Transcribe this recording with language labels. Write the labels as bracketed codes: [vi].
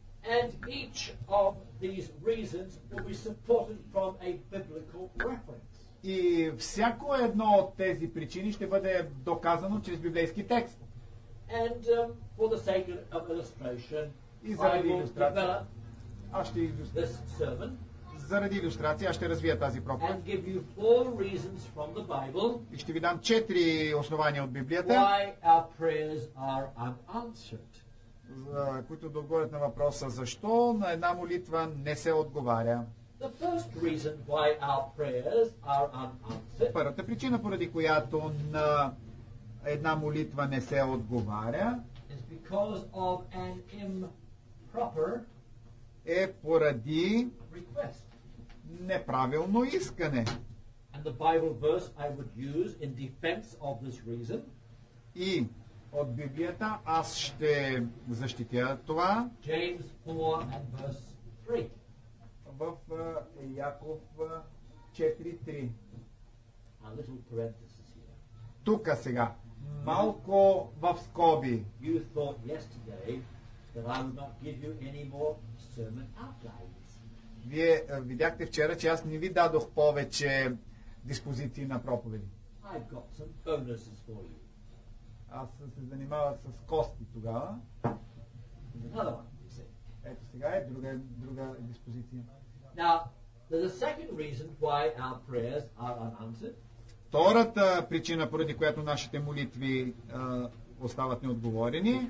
[en] And each of these reasons will be supported from a biblical reference. [bg] И всяко едно от тези причини ще бъде доказано чрез библейски текст. [en] And for the sake of illustration, I will develop this sermon. [bg] Заради илюстрация, аз ще развия тази проповед. [en] Give you four reasons from the Bible, [bg] и ще ви дам четири основания от Библията, [en] why our prayers are unanswered. [bg] За, които да отговорят на въпроса защо на една молитва не се отговаря. [en] The first reason why our prayers are unanswered, [bg] първата причина, поради която на една молитва не се отговаря, [en] is because of an improper [bg] е поради [en] request. [bg] Неправилно искане. [en] And the Bible verse I would use in defense of this reason. [bg] И от Библията аз ще защитя това. [en] James 4 and verse 3. [bg] В Яков 4:3. [en] A little parenthesis here. [bg] Тука сега. Малко в скоби. [en] You thought yesterday that I would not give you any more sermon outline. [bg] Вие видяхте вчера, че аз не ви дадох повече диспозиции на проповеди. [en] I've got some bonuses for you. [bg] Аз се занимавах с кости тогава. [en] Another one, [bg] ето сега е друга диспозиция. [en] Now, there's a second reason why our prayers are unanswered. [bg] Втората причина, поради която нашите молитви остават неотговорени.